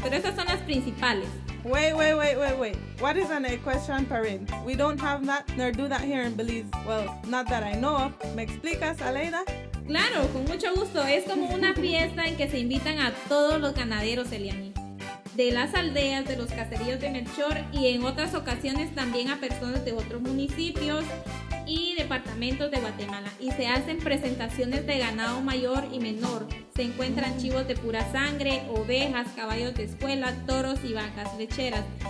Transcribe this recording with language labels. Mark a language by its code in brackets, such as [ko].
[es] Pero esas son las principales. [en] Wait. What is an equestrian parade? We don't have that nor do that here in Belize. Well, not that I know of. [es] ¿Me explicas, Aleida? Claro, con mucho gusto. Es como una fiesta en que se invitan a todos los ganaderos, Eliani, de las aldeas, de los caseríos de Melchor y en otras ocasiones también a personas de otros municipios y departamentos de Guatemala. Y se hacen presentaciones de ganado mayor y menor. Se encuentran chivos de pura sangre, ovejas, caballos de escuela, toros y vacas lecheras.